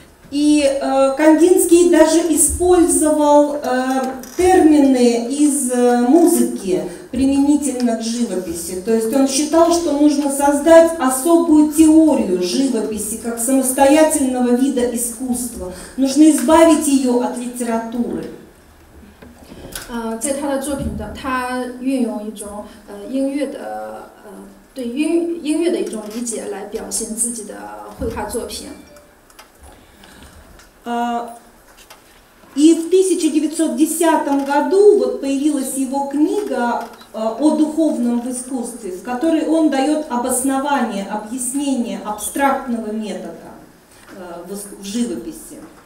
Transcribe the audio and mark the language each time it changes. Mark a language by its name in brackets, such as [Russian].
[Russian] И Кандинский даже использовал термины из музыки применительно к живописи. То есть он считал, что нужно создать особую теорию живописи как самостоятельного вида искусства. Нужно избавить ее от литературы. [Chinese] 在他的作品的，他运用一种音乐的对音乐的一种理解来表现自己的绘画作品。 [Russian] И в 1910 году вот появилась его книга о духовном искусстве, в которой он дает обоснование, объяснение абстрактного метода в живописи.